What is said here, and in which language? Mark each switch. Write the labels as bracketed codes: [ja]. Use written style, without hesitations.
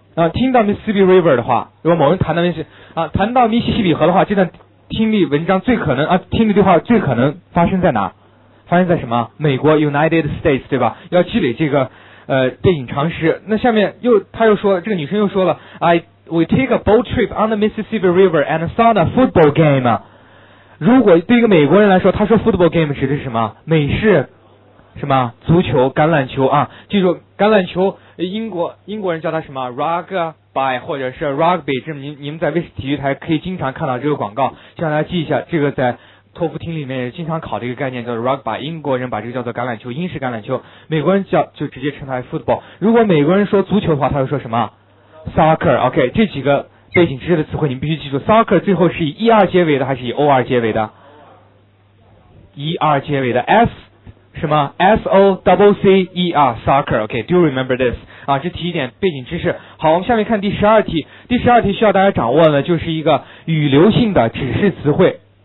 [zh] 听到 Mississippi River 的话，如果某人谈到密西西比河的话，这段听力文章最可能听力对话最可能发生在哪？发生在什么？美国 United States， 对吧？要积累这个背景常识。那下面这个女生又说了 [en] We take a boat trip on the Mississippi River and saw the football game。 [zh] 如果对一个美国人来说，他说 football game 指的是什么？美式什么足球、橄榄球啊？记住，橄榄球英国人叫它什么 rugby 或者是 rugby， 这你们在卫视体育台可以经常看到这个广告，希望大家记一下，这个在托福听力里面也经常考的一个概念叫做 rugby， 英国人把这个叫做橄榄球，英式橄榄球，美国人就直接称它为 football。如果美国人说足球的话，他会说什么？ [en] soccer。 [zh] OK， 这几个背景知识的词汇你们必须记住。soccer 最后是以 er 结尾的还是以 or 结尾的？ er 结尾的 s什么 S-O-C-C-E-R soccer。 OK， [en] do remember this [zh] 啊，这提一点背景知识。好，我们下面看第十二题。第十二题需要大家掌握的就是一个语流性的指示词汇。